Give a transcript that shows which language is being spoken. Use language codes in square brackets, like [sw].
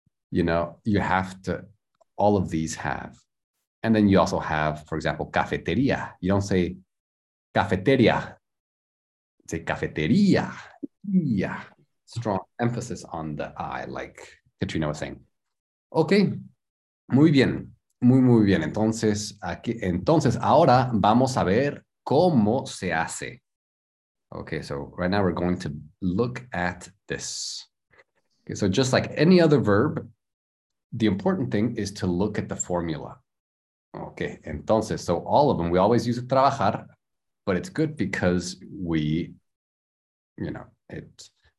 [en] you know, you have to, all of these have. And then you also have, for example, cafeteria. You don't say cafeteria. Say cafeteria. Yeah. Strong emphasis on the I, like Katrina was saying. [es] Okay. Muy bien. Muy, muy bien. Entonces, aquí, entonces ahora vamos a ver cómo se hace. [en] Okay, so right now we're going to look at this. Okay, so just like any other verb, the important thing is to look at the formula. Okay, entonces, so all of them, we always use trabajar, but it's good because we, you know, it.